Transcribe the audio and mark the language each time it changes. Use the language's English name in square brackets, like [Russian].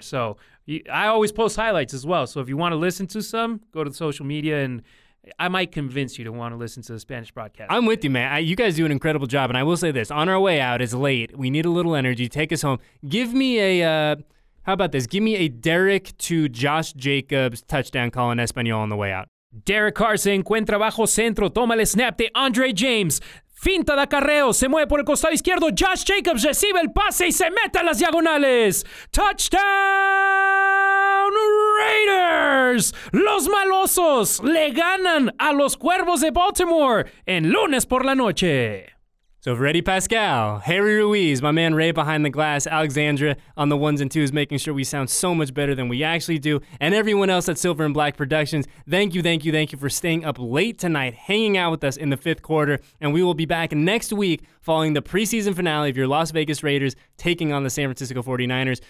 [English] So I always post highlights as well, so if you want to listen to some, go to social media and I might convince you to want to listen to the Spanish broadcast. I'm with you, man. You guys do an incredible job. And I will say this. On our way out, it's late. We need a little energy. Take us home. Give me how about this? Give me a Derek to Josh Jacobs touchdown call in Espanol on the way out. [Spanish] Derek Carr se encuentra bajo centro. Toma el snap de Andre James. Finta de acarreo. Se mueve por el costado izquierdo. Josh Jacobs recibe el pase y se mete a las diagonales. [English] Touchdown, Raiders! [Spanish] Los Malosos le ganan a los Cuervos de Baltimore en lunes por la noche. [English] So, Freddy Pascal, Harry Ruiz, my man Ray behind the glass, Alexandra on the ones and twos, making sure we sound so much better than we actually do, and everyone else at Silver and Black Productions, thank you, thank you, thank you for staying up late tonight, hanging out with us in the fifth quarter, and we will be back next week following the preseason finale of your Las Vegas Raiders taking on the San Francisco 49ers.